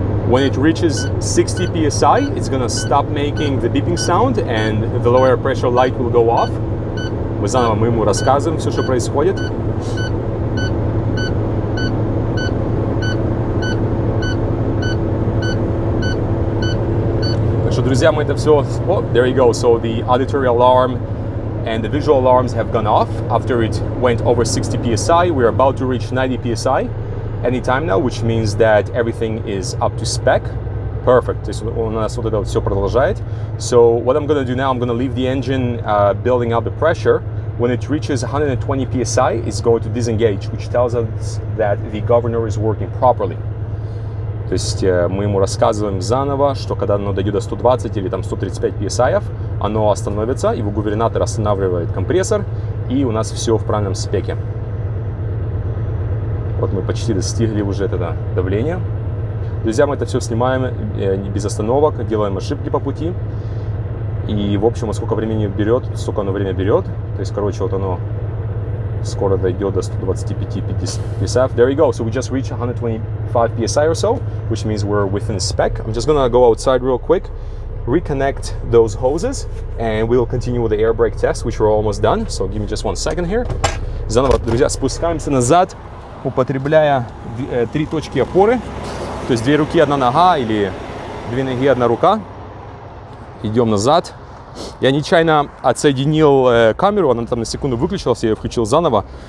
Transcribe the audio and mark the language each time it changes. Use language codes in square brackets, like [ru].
[en] When it reaches 60 PSI, it's gonna stop making the beeping sound and the low air pressure light will go off. [ru] Мы заново ему рассказываем все, что происходит. Так что, друзья, мы это все... [en] Oh, there you go, so the auditory alarm and the visual alarms have gone off after it went over 60 PSI. We are about to reach 90 PSI anytime now, which means that everything is up to spec. Perfect. [ru] У нас вот это все продолжает. [en] So what I'm gonna do now, I'm gonna leave the engine building up the pressure. When it reaches 120 PSI, it's going to disengage, which tells us that the governor is working properly. [ru] То есть мы ему рассказываем заново, что когда оно дойдет до 120 или там 135 PSI, оно остановится, его губернатор останавливает компрессор, и у нас все в правильном спеке. Вот мы почти достигли уже это давление. Друзья, мы это все снимаем без остановок, делаем ошибки по пути. И, в общем, сколько времени берет, столько оно время берет. То есть, короче, вот оно скоро дойдет до 125 PSI. [en] There you go. So we just reached 125 PSI or so, which means we're within spec. I'm just gonna go outside real quick, reconnect those hoses, and we'll continue with the air brake test, which we're almost done. So give me just 1 second here. [ru] Заново, друзья, спускаемся назад, употребляя три точки опоры. То есть две руки, одна нога, или две ноги, одна рука. Идем назад. Я нечаянно отсоединил камеру, она там на секунду выключилась, я ее включил заново.